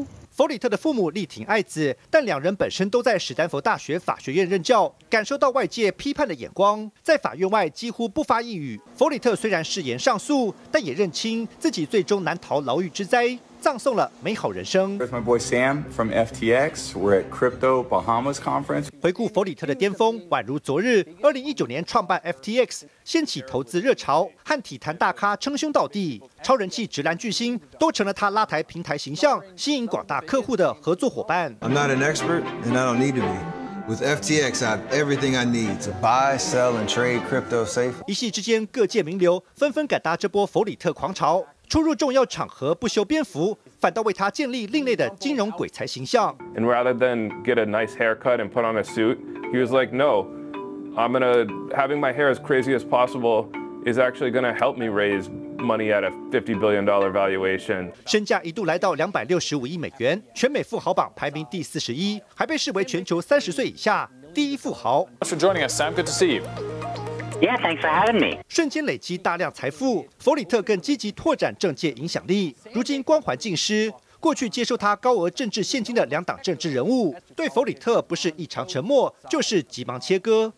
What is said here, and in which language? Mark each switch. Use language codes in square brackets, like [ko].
[zh] 弗里特的父母力挺爱子，但两人本身都在史丹佛大学法学院任教，感受到外界批判的眼光，在法院外几乎不发一语。弗里特虽然誓言上诉，但也认清自己最终难逃牢狱之灾，葬送了美好人生。 [en] With my boy Sam from FTX, we're at Crypto Bahamas Conference. [zh] 回顾弗里特的巅峰，宛如昨日。 2019年创办 FTX， 掀起投资热潮，和体坛大咖称兄道弟，超人气直男巨星都成了他拉抬平台形象、吸引广大客户的合作伙伴。 [en] I'm not an expert, and I don't need to be. With FTX, I have everything I need to buy, sell, and trade crypto safely. [zh] 一夕之间，各界名流纷纷赶搭这波弗里特狂潮。出入重要场合不修边幅，反倒为他建立另类的金融鬼才形象。 [en] And rather than get a nice haircut and put on a suit, he was like, "No, I'm gonna having my hair as crazy as possible is actually gonna help me raise money at a $50 billion valuation." [zh] 身价一度来到$265亿，全美富豪榜排名第41，还被视为全球30岁以下第一富豪。 [en] Thanks for joining us, Sam. Good to see you. Yeah, thanks for having me. [zh] 瞬间累积大量财富，弗里特更积极拓展政界影响力。如今光环尽失，过去接受他高额政治现金的两党政治人物，对弗里特不是异常沉默，就是急忙切割。